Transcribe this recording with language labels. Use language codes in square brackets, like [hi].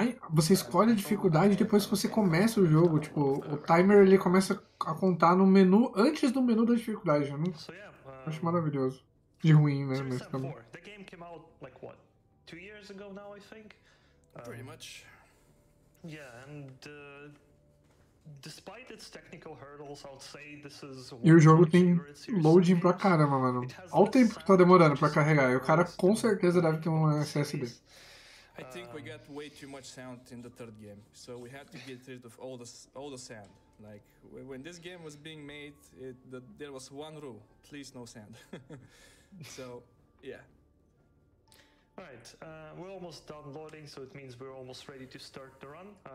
[pt] Você escolhe a dificuldade depois que você começa o jogo, tipo, o timer ele começa a contar no menu, antes do menu da dificuldade, eu não acho maravilhoso. De ruim, né, mas também. [en] The game came out, like, what, 2 years ago now, I think? Pretty much. Yeah, and, despite its technical hurdles, I'll say this is... [pt] E o jogo tem loading pra caramba, mano. Olha o tempo que tá demorando pra carregar, e o cara com certeza deve ter um SSD. [en] I think we got way too much sound in the third game, so we had to get rid of all the sound. Like when this game was being made, there was one rule: please no sound. So, yeah. Right, we're almost done loading, so it means we're almost ready to start the run.